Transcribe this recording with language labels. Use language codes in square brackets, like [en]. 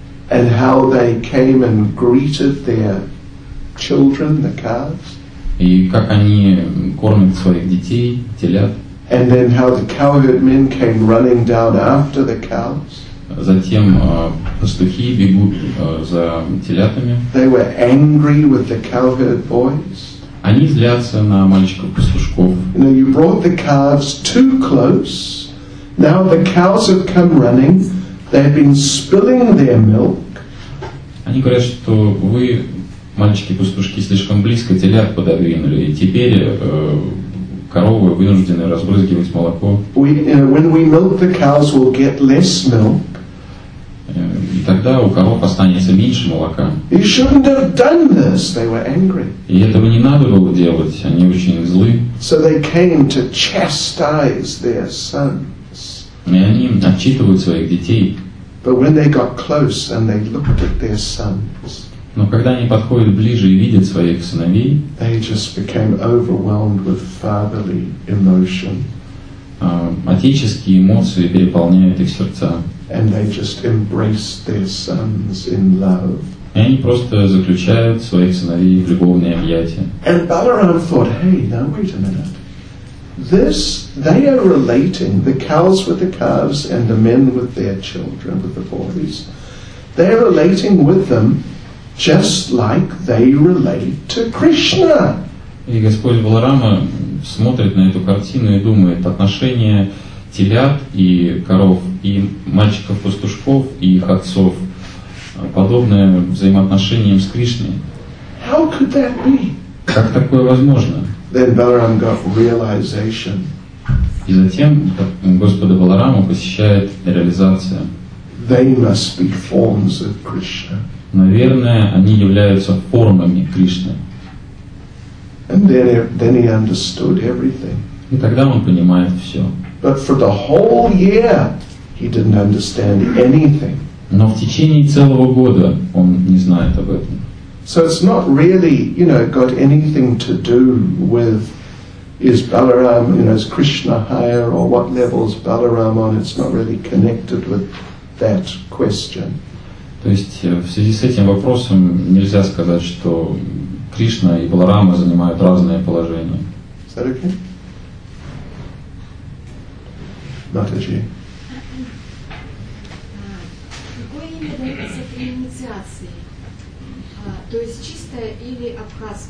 [en] And how they came and greeted their children, the calves. [ru] И как они кормят своих детей, телят. [en] And then how the cowherd men came running down after the cows. [ru] Затем пастухи бегут за телятами. [en] They were angry with the cowherd boys. [ru] Они злятся на мальчиков-пастушков. [en] You know, you brought the calves too close. Now the cows have come running. They've been spilling their milk. [ru] Они говорят, что вы, мальчики-пастушки, слишком близко телят пододвинули, и теперь коровы вынуждены разбрызгивать молоко. [en] When we milk the cows, we'll get less milk. [ru] И тогда у коров останется меньше молока. [en] You shouldn't have done this. They were angry. [ru] И этого не надо было делать. Они очень злы. [en] So they came to chastise their sons. [ru] И они отчитывают своих детей. [en] But when they got close and they looked at their sons, [ru] но когда они подходят ближе и видят своих сыновей, [en] they just became overwhelmed with fatherly emotion. [ru] Отеческие эмоции переполняют их сердца. [en] And they just embrace their sons in love. [ru] И они просто заключают своих сыновей в любовные объятия. [en] And Balaram thought, hey, now wait a minute. This, they are relating, the cows with the calves and the men with their children, with the boys. They are relating with them just like they relate to Krishna. [ru] И Господь Баларама смотрит на эту картину и думает, отношения телят и коров, и мальчиков-пастушков, и их отцов, подобное взаимоотношениям с Кришной. [en] How could that be? [ru] Как такое возможно? [en] Then Balaram got realization. [ru] И затем Господа Баларама посещает реализация. [en] They must be forms of Krishna. [ru] Наверное, они являются формами Кришны. [en] And then he understood everything. [ru] И тогда он понимает все. [en] But for the whole year, he didn't understand anything. [ru] Но в течение целого года он не знает об этом. [en] So it's not really, you know, got anything to do with is Balaram, you know, is Krishna higher or what level is Balaram on? It's not really connected with that question. [ru] То есть в связи с этим вопросом нельзя сказать, что Кришна и Баларама занимают разное положение. [en] Is that okay? [ru] Матаджи. Какое имя дается при инициации? То есть чистое или абхаз?